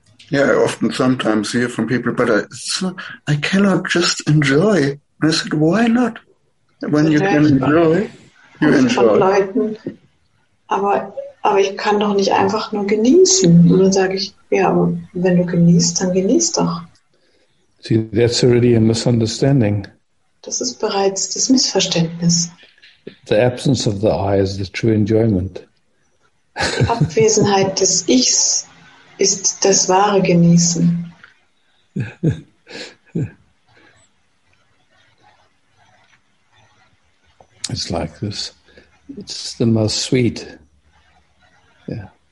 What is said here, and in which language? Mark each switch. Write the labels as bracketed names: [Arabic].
[English] Yeah, I often sometimes hear from people, but I cannot just enjoy. And I said, why not? When you can enjoy, you enjoy. [German] Von Leuten, aber ich kann doch nicht einfach nur genießen. Und dann sage ich, ja, aber wenn du genießt, dann genieß doch. [English] See, that's already a misunderstanding. [German] Das ist bereits das Missverständnis. [English] The absence of the I is the true enjoyment. [German] Die Abwesenheit des Ichs ist das wahre Genießen. [English] It's like this. It's the most sweet. Yeah.